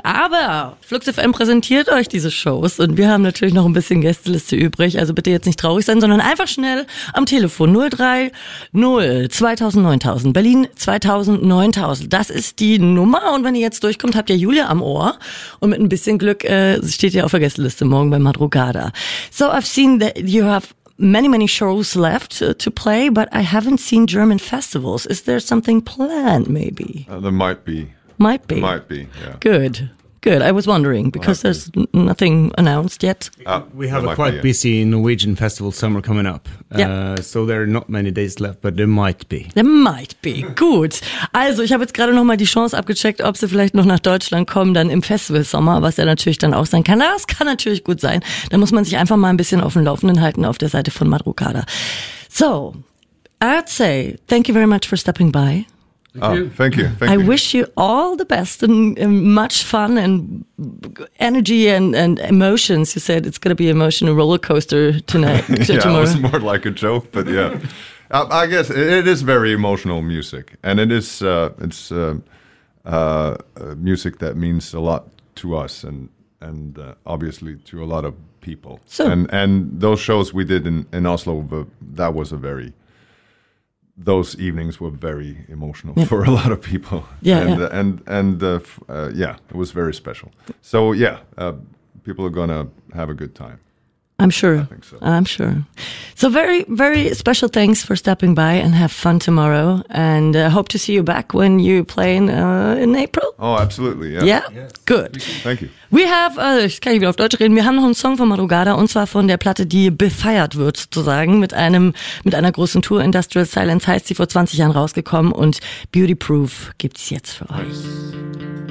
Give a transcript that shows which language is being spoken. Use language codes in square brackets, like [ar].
[de] Aber Flux FM präsentiert euch diese Shows und wir haben natürlich noch ein bisschen Gästeliste übrig. Also bitte jetzt nicht traurig sein, sondern einfach schnell am Telefon 030-2000-9000. Berlin 2000-9000. Das ist die Nummer und wenn ihr jetzt durchkommt, habt ihr Julia am Ohr und mit ein bisschen Glück steht ihr auf der Gästeliste morgen bei Madrugada. [en] So I've seen that you have many, many shows left to play, but I haven't seen German festivals. Is there something planned, maybe? There might be. Might be. Might be, yeah. Good. Good. I was wondering, because there's nothing announced yet. We have a quite busy Norwegian festival summer coming up. Yeah. So there are not many days left, but there might be. There might be. Gut. [de] Also, ich habe jetzt gerade nochmal die Chance abgecheckt, ob sie vielleicht noch nach Deutschland kommen, dann im Festivalsommer, was ja natürlich dann auch sein kann. Das kann natürlich gut sein. Da muss man sich einfach mal ein bisschen auf dem Laufenden halten auf der Seite von Madrugada. [en] So, I'd say thank you very much for stepping by. Thank you. I wish you all the best and much fun and energy and emotions. You said it's going to be emotional roller coaster tonight. Yeah, tomorrow. It was more like a joke, but yeah. I guess it is very emotional music, and it is music that means a lot to us and obviously to a lot of people. So. And those shows we did in Oslo, that was a very... Those evenings were very emotional yeah. for a lot of people. Yeah, it was very special. So, yeah, people are going to have a good time. I'm sure. I think so. I'm sure. So very, very special thanks for stopping by and have fun tomorrow. And I hope to see you back when you play in April. Oh, absolutely. Yeah. Yeah. Yes. Good. Thank you. We have, [de] ich kann hier wieder auf Deutsch reden, wir haben noch einen Song von Madrugada und zwar von der Platte, die befeiert wird sozusagen mit einer großen Tour. Industrial Silence heißt sie, vor 20 Jahren rausgekommen und Beauty Proof gibt's jetzt für euch.